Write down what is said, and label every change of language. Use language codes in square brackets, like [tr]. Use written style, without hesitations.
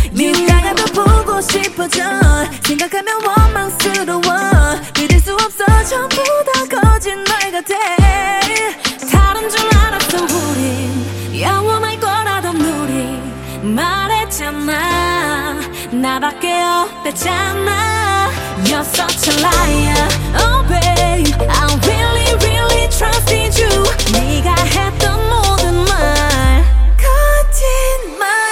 [ko] 네 가가도 보고 싶어져. 생각하면 원망스러워. 믿을 수 없어 전부 다 거짓말 같아. 다른 줄 알았어 우린 영원할 거라던 우리. 말했잖아 나밖에 없댔잖아. [en] You're such a liar. Oh babe I really really trusted you. [ko] 네가 했던 모든 말 거짓말.